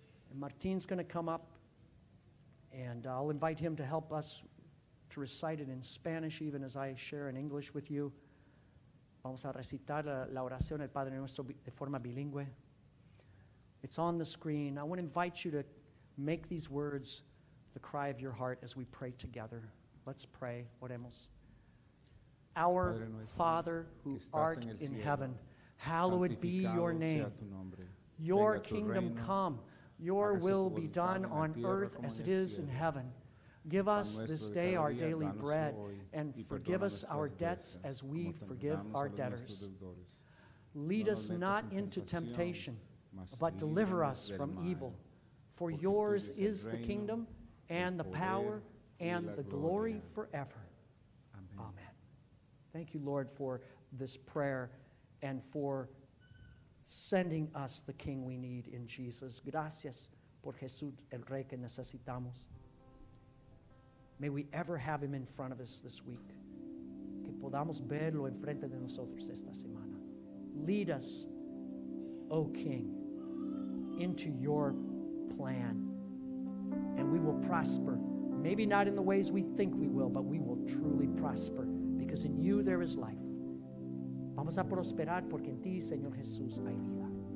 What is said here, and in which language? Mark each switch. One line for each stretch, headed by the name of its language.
English: And Martin's going to come up, and I'll invite him to help us to recite it in Spanish, even as I share in English with you.
Spanish: Vamos a recitar la oración del Padre Nuestro de forma bilingüe.
English: It's on the screen. I want to invite you to make these words the cry of your heart as we pray together. Let's pray.
Spanish: Oremos.
English: Our Father, who art in heaven, hallowed be your name. Your kingdom come, your will be done on earth as it is in heaven. Give us this day our daily bread, and forgive us our debts as we forgive our debtors. Lead us not into temptation, but deliver us from evil. For yours is the kingdom, and the power, and the glory forever. Amen. Thank you, Lord, for this prayer and for sending us the King we need in Jesus.
Spanish: Gracias por Jesús, el Rey que necesitamos.
English: May we ever have him in front of us this week.
Spanish: Que podamos verlo enfrente de nosotros esta semana.
English: Lead us, O King, into your plan, and we will prosper. Maybe not in the ways we think we will, but we will truly prosper. Because in you there is life.
Spanish: Vamos a prosperar porque en ti, Señor Jesús, hay vida.